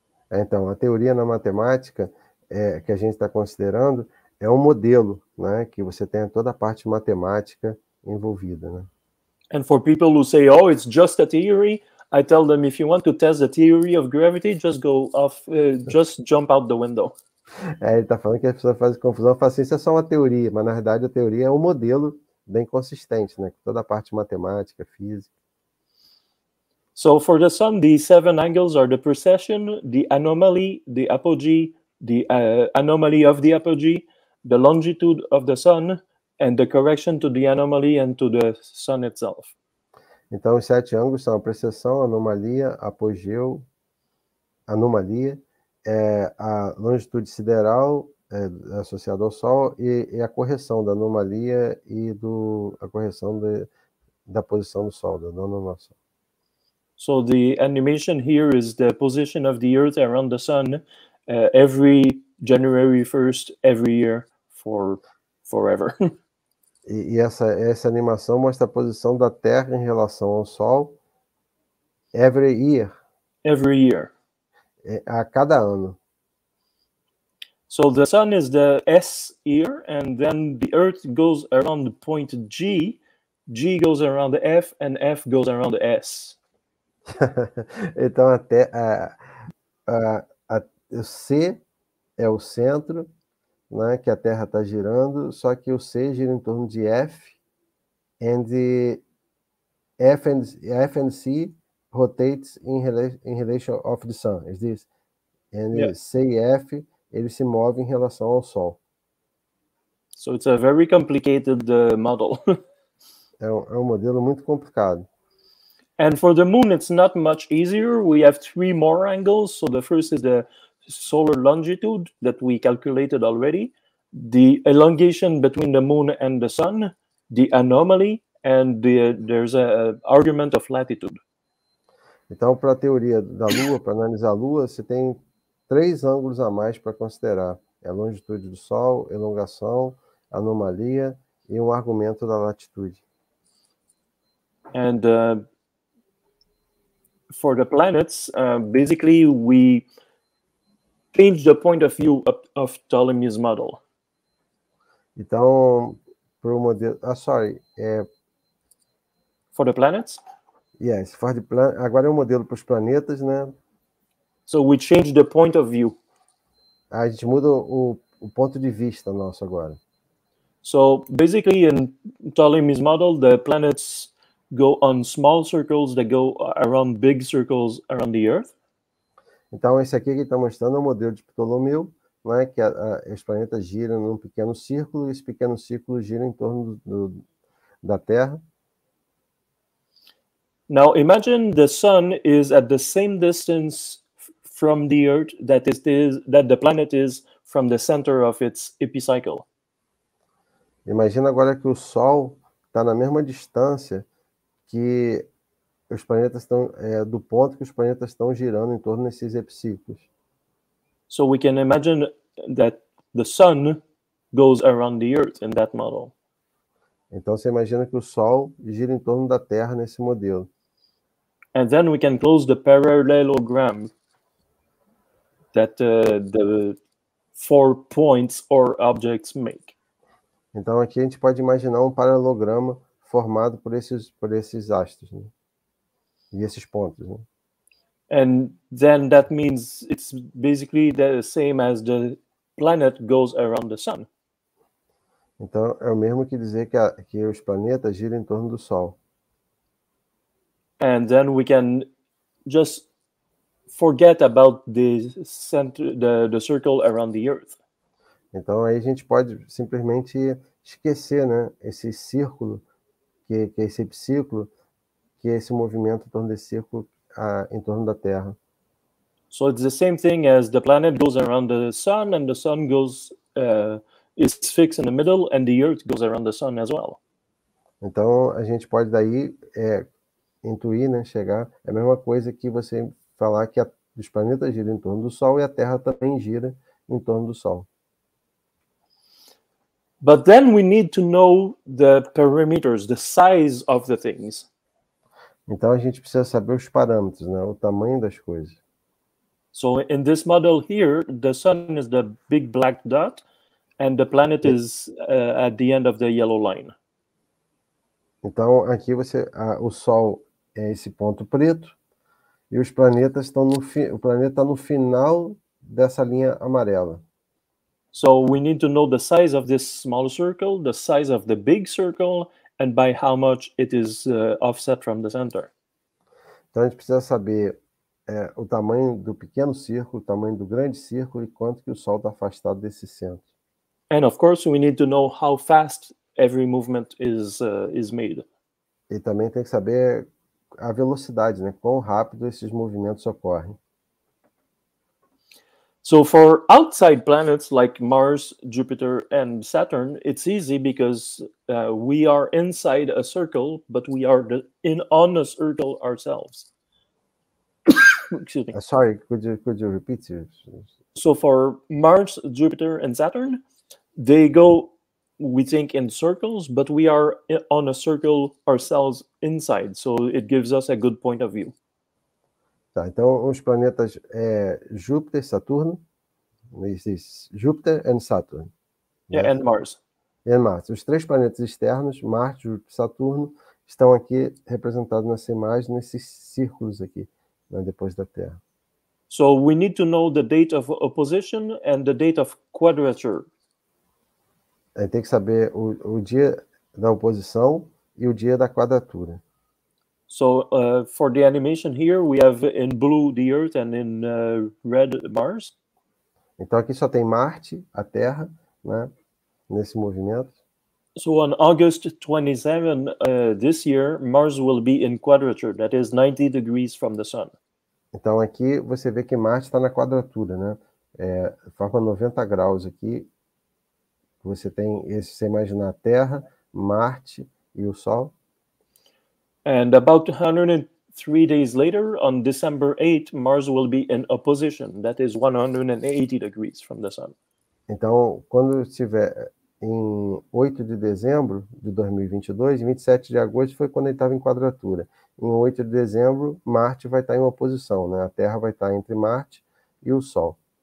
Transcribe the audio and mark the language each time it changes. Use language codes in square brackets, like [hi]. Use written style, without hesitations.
[pt] Então, a teoria na matemática que a gente está considerando é um modelo, né, que você tem toda a parte matemática envolvida, né? [en] And for people who say, oh, it's just a theory, I tell them, if you want to test the theory of gravity, just go off, just jump out the window. [pt] Ele está falando que as pessoas fazem confusão, falam assim, isso é só uma teoria, mas na verdade a teoria é um modelo bem consistente, né? Toda a parte matemática, física. [en] So for the sun, the seven angles are the precession, the anomaly, the apogee, the anomaly of the apogee, the longitude of the sun, and the correction to the anomaly and to the sun itself. [pt] Então, os sete ângulos são a precessão, a anomalia, apogeu, anomalia, a longitude sideral associada ao Sol e a correção da anomalia e do, a correção da posição do Sol, da anomalia. [en] So the animation here is the position of the Earth around the Sun every January 1st, every year, forever. [pt] E essa animação mostra a posição da Terra em relação ao Sol [en] every year. Every year. [pt] A cada ano. [en] So the Sun is the S year, and then the Earth goes around the point G, G goes around the F, and F goes around the S. [pt] Então, até o C é o centro, né, que a Terra está girando, só que o C gira em torno de F, [en] and F and C rotates in relation of the Sun, is this? And yeah. [pt] C e F, ele se move em relação ao Sol. [en] So it's a very complicated model. [pt] É um modelo muito complicado. [en] And for the moon, it's not much easier. We have three more angles. So the first is the solar longitude that we calculated already, the elongation between the moon and the sun, the anomaly, and there's an argument of latitude. [pt] Então, para a teoria da Lua, para analisar a Lua, você tem três ângulos a mais para considerar. É a longitude do Sol, elongação, anomalia e um argumento da latitude. [en] And for the planets, basically we change the point of view of Ptolemy's model. [pt] Então, para o modelo... [en] Ah, sorry. For the planets? Yes, for the planets. [pt] Agora é um modelo para os planetas, né? [en] So we change the point of view. [pt] A gente muda o ponto de vista nosso agora. [en] So basically in Ptolemy's model, the planets go on small circles that go around big circles around the Earth. [pt] Então, esse aqui que está mostrando é o modelo de Ptolomeu, né? Que os planetas giram num pequeno círculo e esse pequeno círculo gira em torno da Terra. [en] Now, imagine the Sun is at the same distance from the Earth that the planet is from the center of its epicycle. [pt] Imagina agora que o Sol está na mesma distância que os planetas estão do ponto que os planetas estão girando em torno desses epiciclos. [en] So we can imagine that the Sun goes around the Earth in that model. [pt] Então você imagina que o Sol gira em torno da Terra nesse modelo. [en] And then we can close the parallelogram that the four points or objects make. [pt] Então aqui a gente pode imaginar um paralelogramo formado por esses astros, né? E esses pontos, né? [en] And then that means it's basically the same as the planet goes around the sun. [pt] Então é o mesmo que dizer que os planetas giram em torno do Sol. [en] And then we can just forget about the center, the circle around the Earth. [pt] Então aí a gente pode simplesmente esquecer, né, esse círculo, que é esse epiciclo, que é esse movimento em torno desse círculo, em torno da Terra. [en] So it's the same thing as the planet goes around the sun, and the sun goes, is fixed in the middle, and the Earth goes around the sun as well. [pt] Então, a gente pode daí intuir, né, chegar, é a mesma coisa que você falar que os planetas giram em torno do Sol e a Terra também gira em torno do Sol. [en] But then we need to know the parameters, the size of the things. [pt] Então a gente precisa saber os parâmetros, né, o tamanho das coisas. [en] So in this model here, the sun is the big black dot and the planet is at the end of the yellow line. [pt] Então aqui o sol é esse ponto preto e os planetas estão no o planeta no final dessa linha amarela. [en] So we need to know the size of this small circle, the size of the big circle, and by how much it is offset from the center. [pt] Então a gente precisa saber o tamanho do pequeno círculo, o tamanho do grande círculo e quanto que o Sol está afastado desse centro. [en] And of course we need to know how fast every movement is made. [pt] E também tem que saber a velocidade, né? Quão rápido esses movimentos ocorrem. [en] So for outside planets like Mars, Jupiter and Saturn, it's easy because we are inside a circle, but we are on a circle ourselves. Excuse me. Sorry, could you repeat it? So for Mars, Jupiter and Saturn, they go, we think, in circles, but we are on a circle ourselves inside. So it gives us a good point of view. [pt] Tá, então os planetas é Júpiter, Saturno, Júpiter and Saturn. [en] Yeah, né? And Mars. And Mars. [pt] Os três planetas externos, Marte, Júpiter e Saturno, estão aqui representados nessa imagem, nesses círculos aqui, né, depois da Terra. [en] So we need to know the date of opposition and the date of quadrature. [pt] A gente tem que saber o dia da oposição e o dia da quadratura. [en] So, for the animation here, we have in blue the Earth and in red Mars. [pt] Então aqui só tem Marte, a Terra, né, nesse movimento. [en] So on August 27 this year, Mars will be in quadrature, that is 90 degrees from the Sun. [pt] Então aqui você vê que Marte está na quadratura, né? É, forma 90 graus aqui. Você tem esse, você imagina a Terra, Marte e o Sol. [en] And about 103 days later, on December 8, Mars will be in opposition, that is 180 degrees from the Sun. [pt] Então, quando estiver em 8 de dezembro de 2022, 27 de agosto foi quando ele estava em quadratura. Em 8 de dezembro, Marte vai estar em oposição, né? A Terra vai estar entre Marte e o Sol.